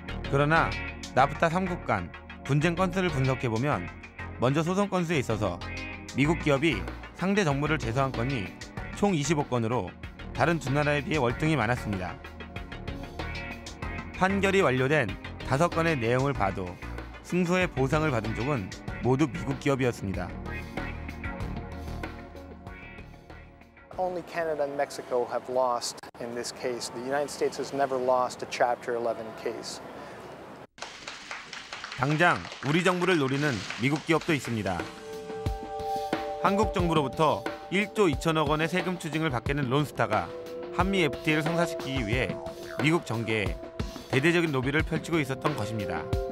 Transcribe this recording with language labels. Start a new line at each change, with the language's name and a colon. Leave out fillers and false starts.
Korean: 그러나 나프타 3국 간 분쟁 건수를 분석해보면 먼저 소송 건수에 있어서 미국 기업이 상대 정부를 제소한 건이 총 25건으로 다른 두 나라에 비해 월등히 많았습니다. 판결이 완료된 5건의 내용을 봐도 승소의 보상을 받은 쪽은 모두 미국 기업이었습니다.
English: Only Canada and Mexico have lost in this case. The United States has never lost a Chapter 11 case.
Korean: 당장 우리 정부를 노리는 미국 기업도 있습니다. 한국 정부로부터 1조 2천억 원의 세금 추징을 받게 된 론스타가 한미 FTA를 성사시키기 위해 미국 정계에 대대적인 로비를 펼치고 있었던 것입니다.